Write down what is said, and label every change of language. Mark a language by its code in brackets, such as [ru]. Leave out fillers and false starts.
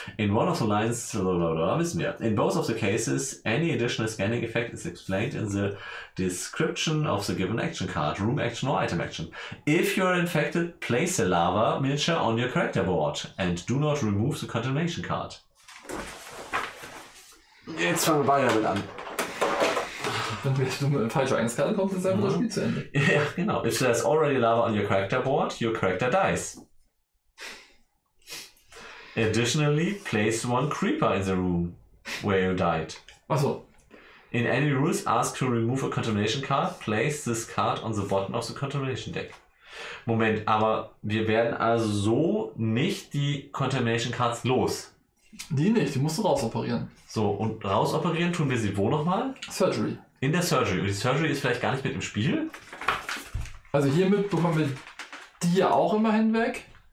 [en] In one of the lines, [de] wissen wir. [en] In both of the cases, any additional scanning effect is explained in the description of the given action card, room action or item action. If you are infected, place a lava miniature on your character board and do not remove the contamination card. [de] Jetzt fangen wir beide damit an. Wenn wir mit einer falschen Eingangskarte kommt, ist einfach das Spiel zu Ende. Ja, genau. [en] If there's already lava on your character board, your character dies. Additionally, place one creeper in the room where you died. [de] Achso. [en] In any rules, ask to remove a contamination card, place this card on the bottom of the contamination deck. [de] Moment, aber wir werden also so nicht die contamination cards los. Die nicht, die musst du rausoperieren. So, und rausoperieren tun wir sie wo nochmal? [en] Surgery. [de] In der Surgery. Und die Surgery ist vielleicht gar nicht mit im Spiel? Also hiermit bekommen wir die ja auch immer hinweg.